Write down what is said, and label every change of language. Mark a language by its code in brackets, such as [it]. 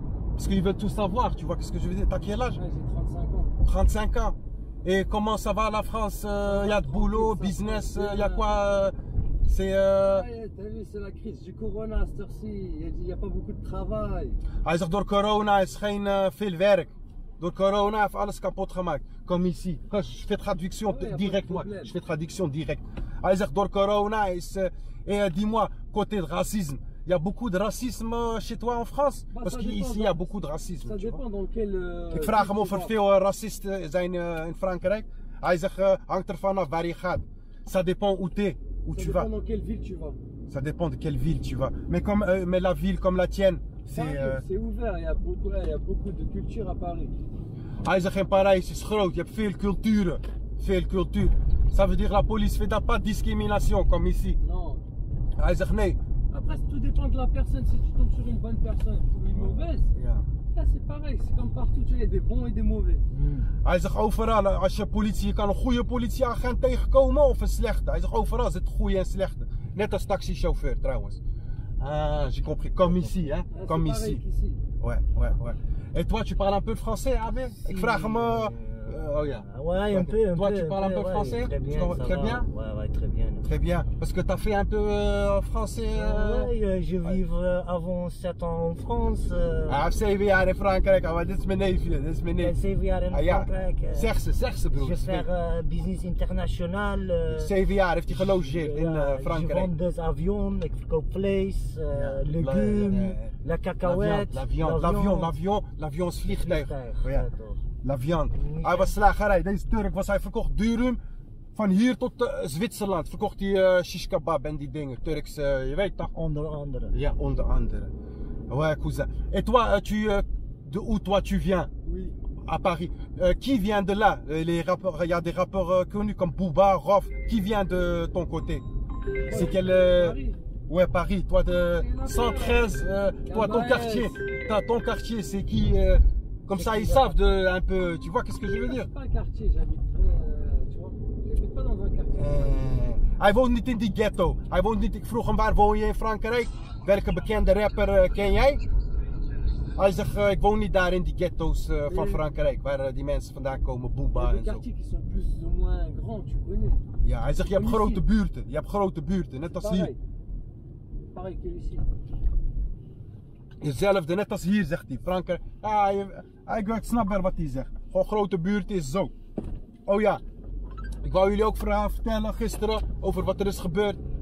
[fr] Parce qu'il veut tout savoir, tu vois, qu'est-ce que je veux dire? T'as quel âge? 35 ans. Et comment ça va la France? Il y a de boulot, business, il y a quoi? C'est. T'as vu, c'est la crise du corona à cette heure-ci. Il n'y a pas beaucoup de travail. [nl] Hij zegt, door corona is geen veel werk. Door corona heeft alles kapot gemaakt. [fr] Comme ici. Je fais traduction direct, moi. Je fais traduction direct. [nl] Hij zegt, door corona is. [fr] Dis-moi, côté de racisme. Il y a beaucoup de racisme chez toi en France? Bah, parce qu'ici il y a beaucoup de racisme. Ça dépend dans quel. [nl] Ik vraag hem of er veel racisten zijn in Frankrijk. Hij zegt, hangt ervan af waar je gaat. [fr] Ça dépend où t'es, où tu vas. Ça dépend dans quelle ville tu vas. Ça dépend de quelle ville tu vas. Mais, comme, mais la ville comme la tienne, c'est. C'est ouvert, il y a beaucoup de culture à Paris. [nl] Hij zegt, in Parijs is groot, je hebt veel culturen. Veel culturen. [fr] Ça veut dire, la police fait dat pas discrimination comme ici. Non. [nl] Hij zegt, nee. [fr] Après, tout dépend de la personne. Si tu tombes sur une bonne personne ou une mauvaise, là c'est pareil, c'est comme partout, tu vois, il y a des bons et des mauvais. [nl] Hij zegt overal, als je politie, je kan een goede politieagent tegenkomen of een slechte. Hij zegt overal, is het goede en slechte. Net als taxichauffeur trouwens. [fr] J'ai compris, comme ici, hein? Comme ici. Ici. Ouais. Et toi, tu parles un peu français, Abel? [nl] Si. Ik vraag hem. [fr] Ouais, un peu. Toi, tu parles un peu français? Très bien. Ouais, très bien. Parce que tu as fait un peu français. Ouais, je vivre avant 7 ans en France. [nl] Ah, 7 jaar in Frankrijk, maar dit is mijn neefje. Dit is mijn neef. 7 jaar in Frankrijk. Zeg ze, broer. [fr] Je fais business international. [nl] 7 jaar heeft hij gelogeerd in Frankrijk. [fr] Ik vend des avions, [nl] ik verkoop vlees, [fr] legumes, la cacahuète. L'avion, [nl] het vliegtuig. [fr] La viande. [nl] Nee. Hij was slagerij. Deze Turk was, hij verkocht durum van hier tot Zwitserland. Verkocht die shish kebab en die dingen. Turkse, je weet toch? Onder andere. Ja, onder andere. [fr] Ouais, cousin. Et toi, de où toi tu viens? Oui. À Paris. Qui vient de là? Il y a des rappeurs connus comme Booba, Rof. Qui vient de ton côté? Ouais. C'est quel. Paris. Ouais, Paris. Toi de 113. Toi, ton quartier. Ton quartier, c'est qui? Comme ça, ils savent de un peu. Tu vois qu'est-ce que je veux dire? Pas un quartier, j'habite pas dans un quartier. [nl] Hij woont niet in die ghetto. Hij woont niet. Ik vroeg hem waar woon je in Frankrijk? Welke bekende rapper ken jij? Hij zegt, ik woon niet daar in die ghettos van Frankrijk, waar die mensen vandaan komen, Booba en zo. [fr] Quartiers qui sont plus ou moins grands, tu connais? [nl] Ja, hij zegt, je hebt grote buurten. Je hebt grote buurten, net als hier. [fr] Pareil que ici. [nl] dezelfde, net als hier zegt hij. Franker, ik snap wel wat hij zegt. Gewoon grote buurt is zo. Oh ja, ik wou jullie ook vertellen gisteren over wat er is gebeurd.